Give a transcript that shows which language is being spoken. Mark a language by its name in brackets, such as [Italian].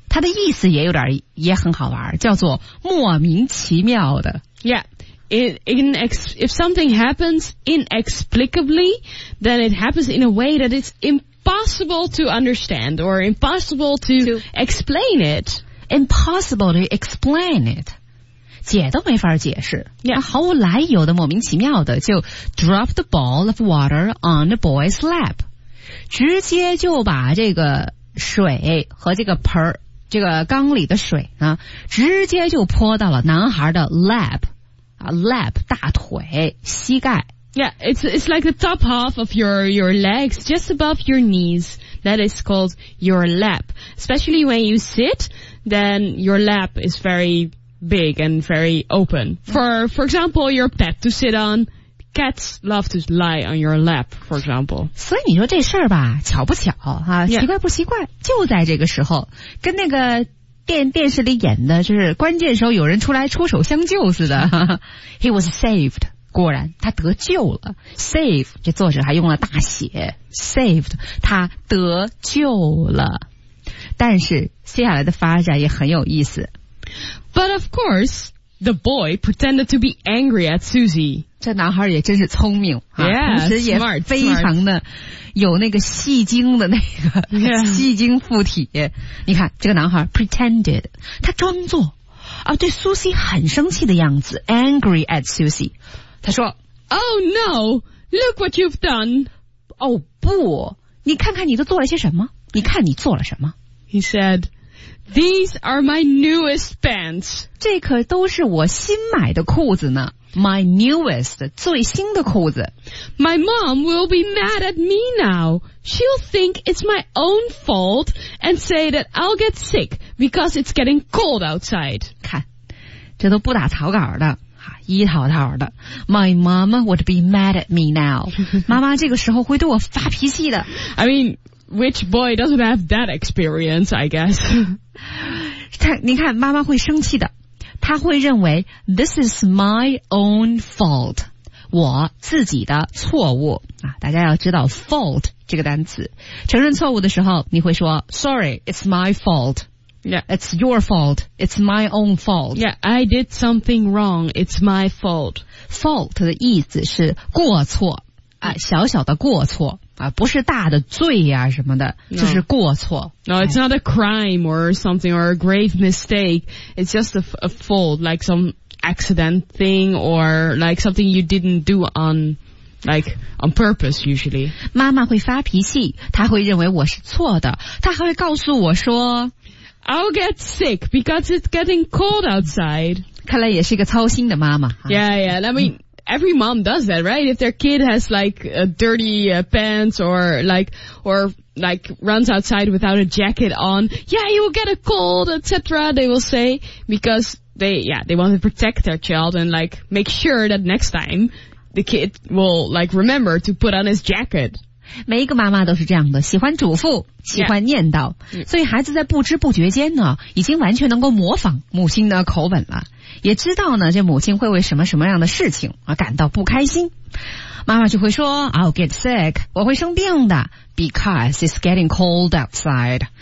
[Chinese] 它的意思也有点也很好玩叫做莫名其妙的。 [English] Yeah, If something happens inexplicably, then it happens in a way that it's impossible to understand or impossible to explain it. Impossible to explain it. [Chinese] 解都没法解释、 [English] yeah. [Chinese] 毫无来由的莫名其妙的就 [English] drop the ball of water on the boy's lap. [Chinese] 直接就把这个水和这个盆这个缸里的水呢直接就泼到了男孩的 lap. Lap, 大腿膝盖 [English] Yeah, it's like the top half of your legs, just above your knees. That is called your lap. Especially when you sit, then your lap is very big and very open. For example, your pet to sit on. Cats love to lie on your lap, for example. [Chinese] 所以你说这事儿吧，巧不巧、啊 [English] yeah. [Chinese] 奇怪不奇怪，就在这个时候，跟那个电视里演的就是关键时候有人出来出手相救似的。 [English] He was saved. [Chinese] 果然他得救了。Save, 这作者还用了大写。 Saved, 他得救了。但是接下来的发展也很有意思。 [English] But of course, the boy pretended to be angry at Susie. [Chinese] 这男孩也真是聪明。 [English] Yeah, [Chinese] 同时也 [English] smart, [Chinese] 非常的有那个戏精的那个、 [English] yeah. [Chinese] 戏精附体。你看这个男孩 pretended, 他装作啊对 Susie 很生气的样子 [English] angry at Susie. [Chinese] 他说 [English] Oh no, look what you've done. [Chinese] 哦不你看看你都做了些什么你看你做了什么。 [English] He said, these are my newest pants. [Chinese] 这可都是我新买的裤子呢。 [English] My newest, [Chinese] 最新的裤子。 [English] My mom will be mad at me now. She'll think it's my own fault and say that I'll get sick because it's getting cold outside. [Chinese] 看，这都不打草稿的，一套套的。 [English] My mom would be mad at me now. [Chinese] 妈妈这个时候会对我发脾气的。 [English] I mean, which boy doesn't have that experience, I guess? [Chinese] 你看，妈妈会生气的。他会认为 [English] This is my own fault [Chinese] 我自己的错误、啊、大家要知道 fault 这个单词承认错误的时候你会说 [English] Sorry, it's my fault、 yeah. It's your fault It's my own fault Yeah, I did something wrong It's my fault [Chinese] Fault 的意思是过错、啊、小小的过错、啊、不是大的罪啊什么的、 [English] no. [Chinese] 就是过错 [English] No, it's not a crime or something or a grave mistake. It's just a fault, like some accident thing or like something you didn't do on purpose usually. [Chinese] 妈妈会发脾气，她会认为我是错的，她还会告诉我说 [English] I'll get sick because it's getting cold outside. [Chinese] 看来也是一个操心的妈妈。 [English] Yeah, yeah, let me...、嗯Every mom does that, right? If their kid has like a dirty pants or like runs outside without a jacket on, yeah, you will get a cold, etc. They will say because they want to protect their child and like make sure that next time the kid will like remember to put on his jacket. [Chinese] 每一个妈妈都是这样的，喜欢嘱咐，喜欢念叨， [English] yeah. [Chinese] 所以孩子在不知不觉间呢，已经完全能够模仿母亲的口吻了。也知道呢这母亲会为什么什么样的事情而感到不开心。妈妈就会说 [English] I'll get sick, [Chinese] 我会生病的 [English] because it's getting cold outside.